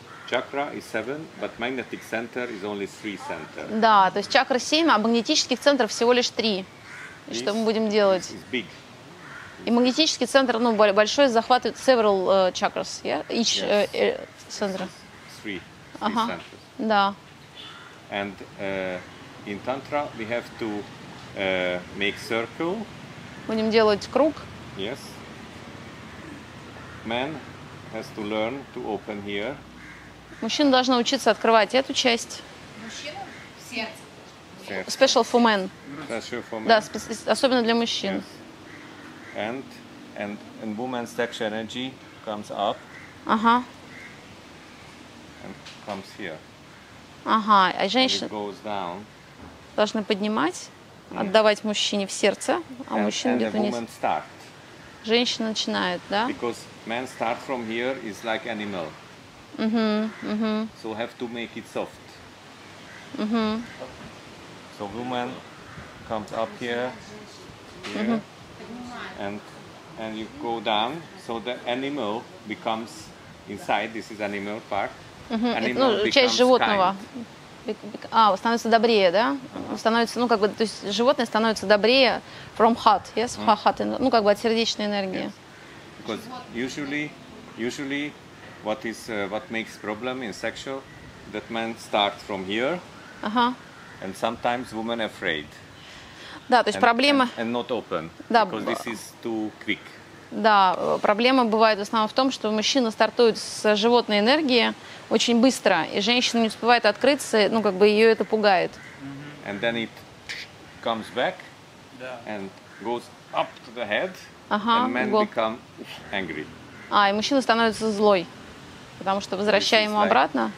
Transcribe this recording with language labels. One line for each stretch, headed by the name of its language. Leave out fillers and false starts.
English: Chakra is 7, but magnetic center is only 3 center.
Russian: Да, то есть чакра 7, а магнетических центров всего лишь 3. И что мы будем делать?
English: It's big.
Russian: И магнетический центр, ну, большой, захватывает
English: several chakras, yeah? Each center. Yes. 3 centers.
Russian: Да.
English: And in tantra we have to make circle.
Russian: Будем делать круг.
English: Yes. Man has to learn to open here.
Russian: Мужчина должен научиться открывать эту часть. Мужчина? Сердце.
English: Special for men. Special for men.
Russian: Да, особенно для мужчин.
English: Yes. And woman's sexual energy comes up.
Russian: Ага.
English: And comes here.
Russian: Ага, а женщина
English: goes down.
Russian: Должны поднимать, mm. отдавать мужчине в сердце, а
English: and,
Russian: мужчина где-то вниз.
English: Woman start.
Russian: Женщина начинает, да?
English: Because man start from here is like animal. So have to make it soft. So woman comes up here, and you go down, so the animal becomes inside. This is animal part.
Russian: Ну, часть животного. А, становится добрее, да? Становится, ну, как бы, то есть животное становится добрее
English: from heart, yes? From heart,
Russian: ну, как бы от сердечной энергии.
English: Yes. Because usually what is, what makes problem in sexual, that man starts from here, and sometimes woman afraid.
Russian: Да, то есть проблема...
English: And not open, да, because this is too quick.
Russian: Да, проблема бывает в основном в том, что мужчина стартует с животной энергии очень быстро, и женщина не успевает открыться, ну, как бы ее это пугает.
English: And then it comes back and goes up to the head, and men become angry.
Russian: А, и мужчина становится злой, потому что возвращаем ему обратно.